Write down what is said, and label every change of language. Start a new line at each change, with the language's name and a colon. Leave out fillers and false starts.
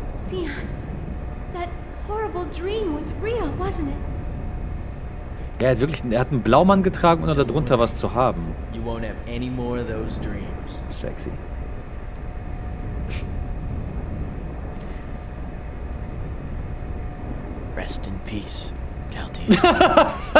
English: Sio, that horrible dream was real, wasn't it?
German: Er hat wirklich einen Blaumann getragen, um darunter was zu haben.
English: You won't have any more of those dreams. Sexy. Rest in peace, Caldeo.